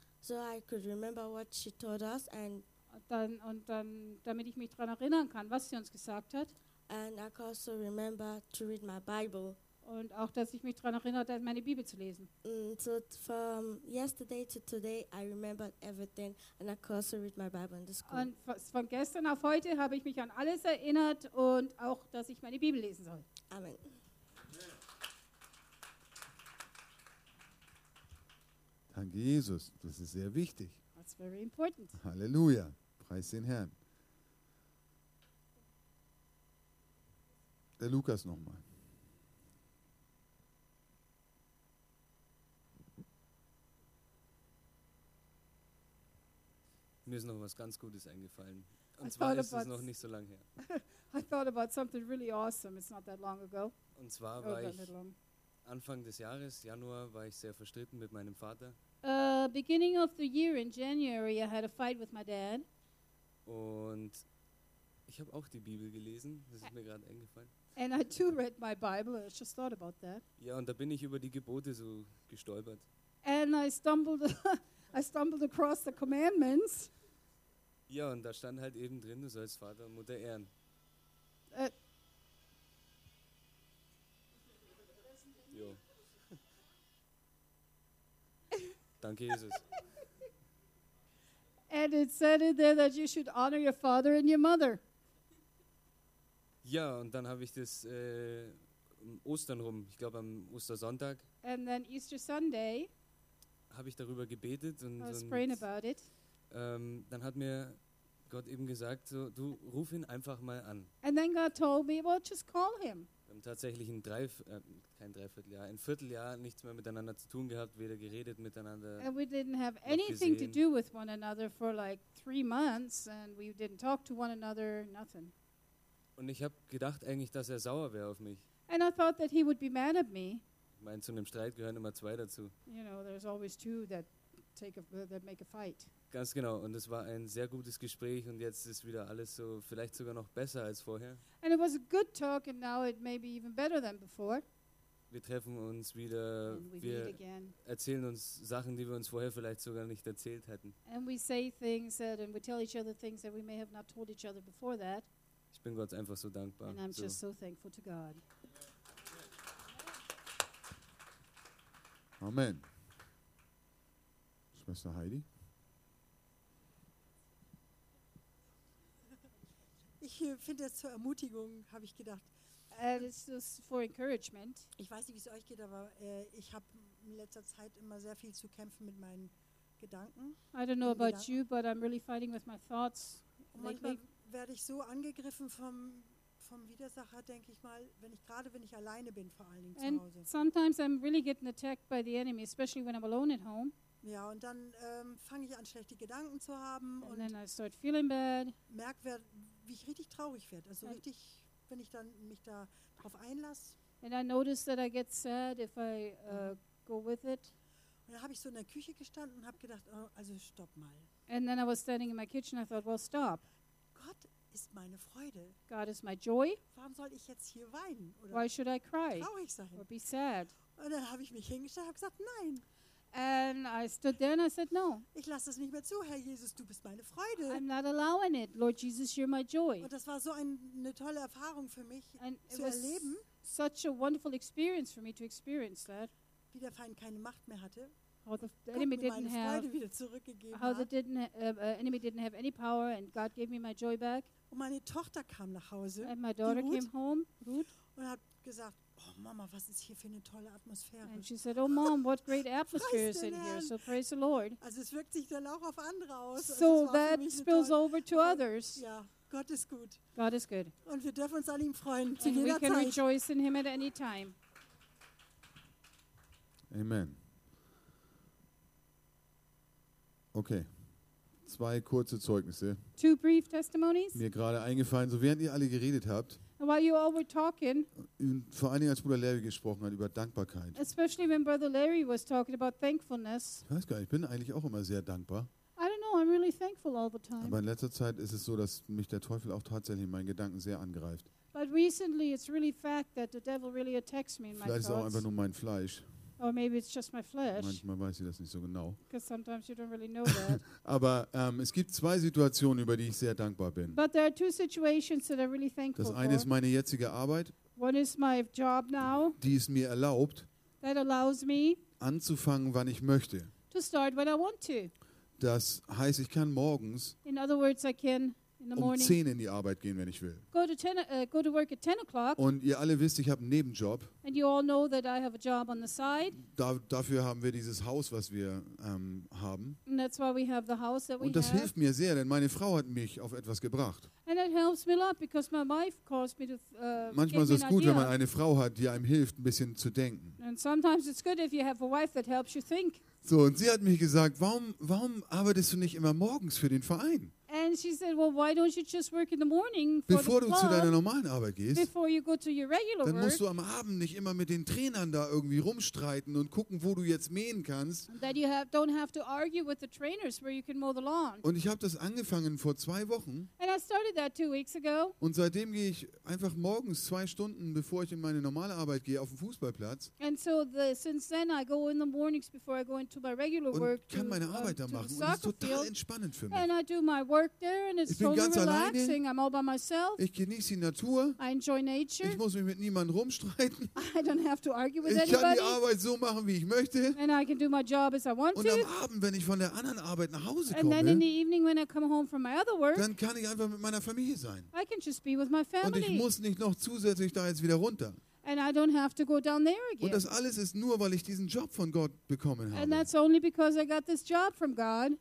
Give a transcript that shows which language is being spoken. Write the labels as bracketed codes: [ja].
[en] So I could remember what she taught us and [de] dann, damit ich mich daran erinnern kann, was sie uns gesagt hat. [en] And I could also remember to read my Bible. [de] Und auch, dass ich mich daran erinnerte, meine Bibel zu lesen. [en] So from yesterday to today, I remembered everything and I could also read my Bible in the school. [de] Und von gestern auf heute habe ich mich an alles erinnert und auch, dass ich meine Bibel lesen soll. Amen. Danke, Jesus. Das ist sehr wichtig. [en] That's very important. [de] Halleluja. Preis den Herrn. Der Lukas nochmal. Mir ist noch was ganz Gutes eingefallen. Und zwar ist es noch nicht so lange her. [en] I thought about something really awesome. It's not that long ago. [de] Und zwar war ich Anfang des Jahres, Januar, war ich sehr verstritten mit meinem Vater. [en] Beginning of the year in January, I had a fight with my dad. [de] Und ich habe auch die Bibel gelesen. Das ist mir gerade eingefallen. [en] And I too read my Bible. I just thought about that. [de] Ja, und da bin ich über die Gebote so gestolpert. [en] And I stumbled across the commandments. [de] Ja, und da stand halt eben drin, du sollst Vater und Mutter ehren. Danke, Jesus. [en] And it said in there that you should honor your father and your mother. [de] Ja, und dann habe ich das Ostern rum, ich glaube am Ostersonntag. [en] And then Easter Sunday. [de] Habe ich darüber gebetet und, [en] I was praying about it. [de] Dann hat mir Gott eben gesagt, so, du ruf ihn einfach mal an. [en] And then God told me, well, just call him. [de] Tatsächlich ein Vierteljahr nichts mehr miteinander zu tun gehabt, weder geredet miteinander. [en] And we didn't have anything to do with one another for like 3 months and we didn't talk to one another, nothing. [de] Und ich habe gedacht eigentlich, dass er sauer wäre auf mich. [en] And I thought that he would be mad at me. [de] Ich meine, zu einem Streit gehören immer zwei dazu. [en] You know, there's always two that make a fight. [de] Ganz genau, und es war ein sehr gutes Gespräch und jetzt ist wieder alles so, vielleicht sogar noch besser als vorher. [en] And it was a good talk and now it may be even better than before. [de] Wir treffen uns wieder, wir erzählen uns Sachen, die wir uns vorher vielleicht sogar nicht erzählt hätten. [en] And we say things that, and we tell each other things that we may have not told each other before that. [de] Ich bin Gott einfach so dankbar. [en] And I'm just so thankful to God. Amen. [de] Schwester Heidi. Ich finde das zur Ermutigung, habe ich gedacht. [en] This is for encouragement. [de] Ich weiß nicht, wie es euch geht, aber ich habe in letzter Zeit immer sehr viel zu kämpfen mit meinen Gedanken. [en] I don't know about you, but I'm really fighting with my thoughts. [de] Manchmal werde ich so angegriffen vom Widersacher, denke ich mal, wenn ich alleine bin, vor allen Dingen [en] and [de] zu Hause. [en] Sometimes I'm really getting attacked by the enemy, especially when I'm alone at home. [de] Ja, und dann fange ich an, schlechte Gedanken zu haben [en] and then I start feeling bad. [de] Merkwürdig, wie ich richtig traurig werde, also richtig, wenn ich dann mich da drauf einlasse. [en] And I notice that I get sad if I go with it. [de] Und da habe ich so in der Küche gestanden und habe gedacht, oh, also stopp mal. [en] And then I was standing in my kitchen, I thought, well, stop. [de] Gott ist meine Freude. [en] God is my joy. [de] Warum soll ich jetzt hier weinen? Oder [en] why should I cry? [de] Traurig sein. [en] Or be sad. [de] Und dann habe ich mich hingestellt und habe gesagt, nein. [en] And I stood there and I said, no. [de] Ich lasse es nicht mehr zu, Herr Jesus, du bist meine Freude. [en] I'm not allowing it, Lord Jesus, you're my joy. [de] Und das war so eine tolle Erfahrung für mich, [en] and [de] zu erleben. [en] Such a wonderful experience for me to experience that. [de] Wie der Feind keine Macht mehr hatte. [en] How the enemy didn't have. [de] Freude wieder zurückgegeben [en] how the enemy didn't have any power and God gave me my joy back. [de] Und meine Tochter kam nach Hause. [en] And my daughter Ruth, came home. Ruth. [de] Und hat gesagt, oh Mama, was ist hier für eine tolle Atmosphäre? [en] And she said, oh Mom, what great atmosphere is in here? So praise the Lord. [de] Also es wirkt sich dann auch auf andere aus. [en] So that spills over to others. [de] Ja. Gott ist gut. [en] God is good. [de] Und wir dürfen uns an ihm freuen. [en] And we can rejoice in him at any time. Amen. [de] Okay. Zwei kurze Zeugnisse. [en] Two brief testimonies. [de] Mir gerade eingefallen, so während ihr alle geredet habt. [en] And while you all were talking. [de] Vor allen Dingen, als Bruder Larry gesprochen hat über Dankbarkeit. [en] Especially when Brother Larry was talking about thankfulness. [de] Ich weiß gar nicht, ich bin eigentlich auch immer sehr dankbar. [en] I don't know, I'm really thankful all the time. [de] Aber in letzter Zeit ist es so, dass mich der Teufel auch tatsächlich in meinen Gedanken sehr angreift. [en] But recently it's really fact that the devil really attacks me in my thoughts. [de] Vielleicht ist auch einfach nur mein Fleisch. [en] Or maybe it's just my flesh. [de] Manchmal weiß ich das nicht so genau. [en] Because sometimes you don't really know that. [de] Aber es gibt zwei Situationen, über die ich sehr dankbar bin. [en] But there are two situations that I'm really thankful for. [de] Das eine ist meine jetzige Arbeit. [en] One is my job now. [de] Die es mir erlaubt. [en] That allows me. [de] Anzufangen, wann ich möchte. [en] To start when I want to. [de] Das heißt, ich kann morgens [en] in other words, I can in the morning [de] um 10 in die Arbeit gehen, wenn ich will. [en] Go to work at 10 o'clock. [de] Und ihr alle wisst, ich habe einen Nebenjob. [en] And you all know that I have a job on the side. [de] Dafür haben wir dieses Haus, was wir haben. [en] And that's why we have the house that we [de] und das [en] have. [de] Hilft mir sehr, denn meine Frau hat mich auf etwas gebracht. [en] And it helps me a lot because my wife caused me to [de] manchmal ist es gut, wenn man eine Frau hat, die einem hilft, ein bisschen zu denken. [en] And sometimes it's good if you have a wife that helps you think. [de] So, und sie hat mich gesagt, warum arbeitest du nicht immer morgens für den Verein? [en] And she said, well, why don't you just work in the morning for [de] bevor [en] the club, [de] du zu deiner normalen Arbeit gehst, [en] before you go to your regular [de] dann [en] work, [de] musst du am Abend nicht immer mit den Trainern da irgendwie rumstreiten und gucken, wo du jetzt mähen kannst. [en] That you have, don't have to argue with the trainers where you can mow the lawn. [de] Und ich habe das angefangen vor 2 Wochen. [en] And I started that 2 weeks ago. [de] Und seitdem gehe ich einfach morgens 2 Stunden, bevor ich in meine normale Arbeit gehe, auf den Fußballplatz. [en] And so the, since then I go in the mornings before I go into my regular [de] und [en] work. [de] Und kann [en] to, [de] meine Arbeit da machen und ist total Entspannend für mich. [en] And I do my work. There and it's [de] ich bin ganz [en] relaxing. [de] Alleine. [en] I'm all by myself. [de] Ich genieße die Natur. [en] I enjoy nature. [de] Ich muss mich mit niemandem rumstreiten. [en] I don't have to argue with [de] ich [en] anybody. [de] Kann die Arbeit so machen, wie ich möchte. [en] And I can do my job as I want [de] und [en] to. [de] Am Abend, wenn ich von der anderen Arbeit nach Hause [en] and [de] komme, [en] then in the evening when I come home from my other work, [de] dann kann ich einfach mit meiner Familie sein. [en] I can just be with my family. [de] Und ich muss nicht noch zusätzlich da jetzt wieder runter. [en] And I don't have to go down there again. [de] Und das alles ist nur, weil ich diesen Job von Gott bekommen habe. [en] And that's only because I got this job from God.